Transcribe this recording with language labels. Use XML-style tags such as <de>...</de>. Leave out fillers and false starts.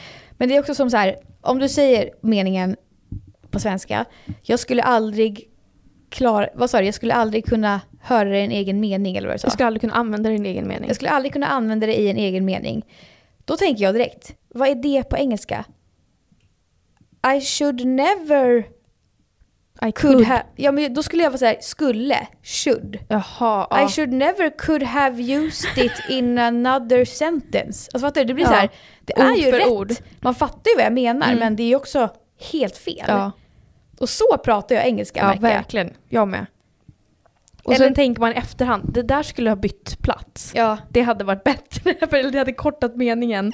<sv>Men det är också som så här, om du säger meningen på svenska, jag skulle aldrig klara, vad sa du, jag skulle aldrig kunna höra din egen mening eller vad du sa. Jag skulle aldrig kunna använda din egen mening. Jag skulle aldrig kunna använda det i en egen mening. Då tänker jag direkt, vad är det på engelska?</sv> <en>I should never I could have.</en> <sv>Ja, men då skulle jag vara så här, skulle, should. Jaha.</sv> <en>Ja. I should never could have used it in another sentence.</en> <sv>Alltså fattar du, det blir ja. Så här, det ord är ju rätt. Ord. Man fattar ju vad jag menar, men det är ju också helt fel. Ja. Och så pratar jag engelska, ja, verkligen. Jag med. Och eller, sen tänker man efterhand, det där skulle ha bytt plats. Ja. Det hade varit bättre, för det hade kortat meningen.</sv>